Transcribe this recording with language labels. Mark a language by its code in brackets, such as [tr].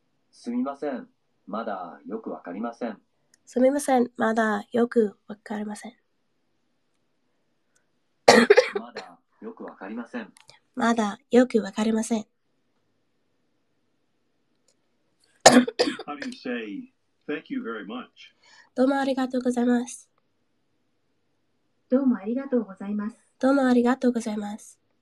[ja] すみません。まだよくわかりません。すみません。まだよくわかりません。まだよくわかりません。まだよくわかりません。 [en] How do you say thank you very much? [ja] どうもありがとうございます。どうもありがとうございます。どうもありがとうございます。